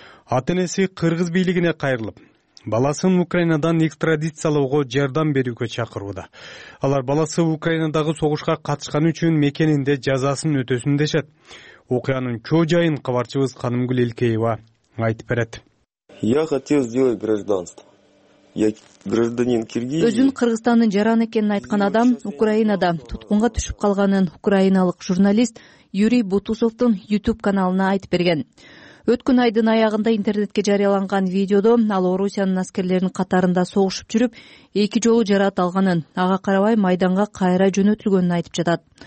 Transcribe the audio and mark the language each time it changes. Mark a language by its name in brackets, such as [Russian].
[Kyrgyz] Атенеси кыргыз бийлигине кайрылып, баласын Украинадан экстрадициялоого жардам берүүгө чакырууда. Алар баласы Украинадагы согушка катышканы үчүн мекенинде жазасын өтөсүн дешет. Окуянын чоо жайын кабарчыбыз Канымгүл Элкеева айтып берет. [Russian] Я хотел сделать гражданство. Я гражданин Киргизии. [Kyrgyz] Өзүн Кыргызстандын жараны экенин айткан адам Украинада туткунга түшүп калганын украиналык журналист Юрий Бутусовтун YouTube каналына айтып берген. Өткөн айдын аягында интернетке жарыяланган видеодо ал Орусиянын аскерлеринин катарында согушуп жүрүп, эки жолу жараат алганын, ага карабай майданга кайра жөнөтүлгөнүн айтып жатат.